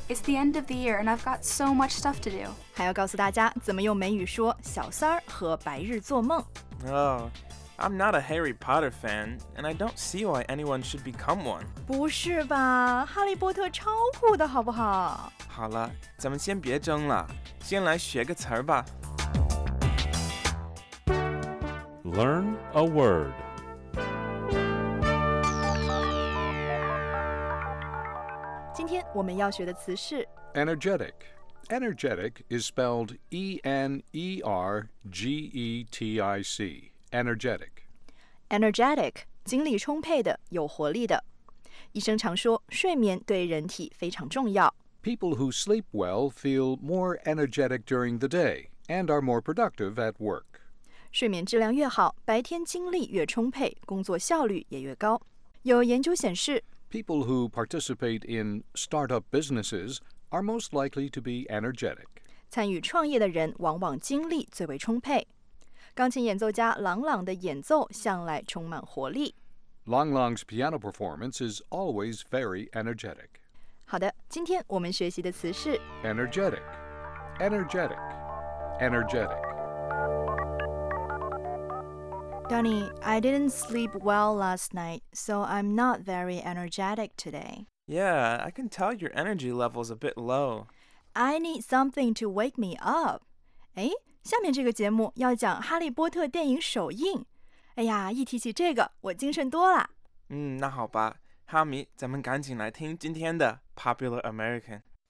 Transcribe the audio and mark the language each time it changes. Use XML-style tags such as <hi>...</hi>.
<en>It's the end of the year and I've got so much stuff to do.</en> <zh>还要告诉大家怎么用美语说小三儿和白日做梦。</zh> <en>Oh, I'm not a Harry Potter fan and I don't see why anyone should become one.</en> <zh>不是吧，哈利波特超酷的好不好？好了，咱们先别争了，先来学个词儿吧。</zh> <en>Learn a word.</en> <zh>今天我们要学的词是</zh> <en>energetic. Energetic is spelled E-N-E-R-G-E-T-I-C. Energetic.</en> <zh>Energetic, 精力充沛的，有活力的。医生常说，睡眠对人体非常重要。</zh> <en>People who sleep well feel more energetic during the day and are more productive at work.</en> <zh>睡眠质量越好，白天精力越充沛，工作效率也越高。有研究显示，</zh> <en>People who participate in startup businesses are most likely to be energetic.</en> <zh>参与创业的人往往精力最为充沛。钢琴演奏家朗朗的演奏向来充满活力。</zh> <en>Lang Lang's piano performance is always very energetic.</en> <zh>好的，今天我们学习的词是</zh> <en>energetic, energetic, energetic. Danny, I didn't sleep well last night, so I'm not very energetic today. Yeah, I can tell your energy level's a bit low. I need something to wake me up.</en> <zh>诶，下面这个节目要讲哈利波特电影首映。哎呀，一提起这个，我精神多了。嗯，那好吧，哈迷，咱们赶紧来听今天的 Popular American。</zh>